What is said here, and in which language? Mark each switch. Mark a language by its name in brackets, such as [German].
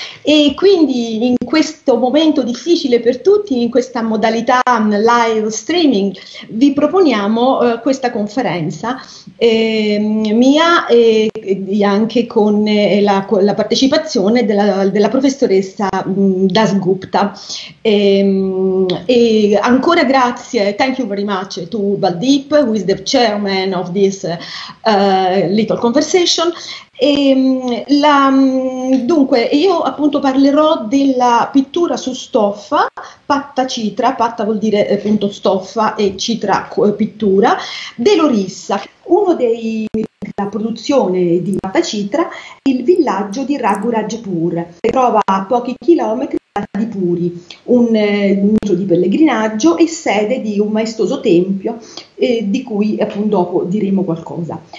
[Italian] E quindi in questo momento difficile per tutti, in questa modalità live streaming, vi proponiamo questa conferenza mia e anche con la partecipazione della professoressa Dasgupta. E ancora grazie, [English] thank you very much to Baldeep, who is the chairman of this little conversation. [Italian] E, dunque, io appunto parlerò della pittura su stoffa, Pattacitra, Patta vuol dire appunto stoffa e citra pittura, dell’Orissa. Uno dei la produzione di Pattacitra è il villaggio di Raghurajpur, che trova a pochi chilometri di Puri, un punto di pellegrinaggio e sede di un maestoso tempio di cui appunto dopo diremo qualcosa.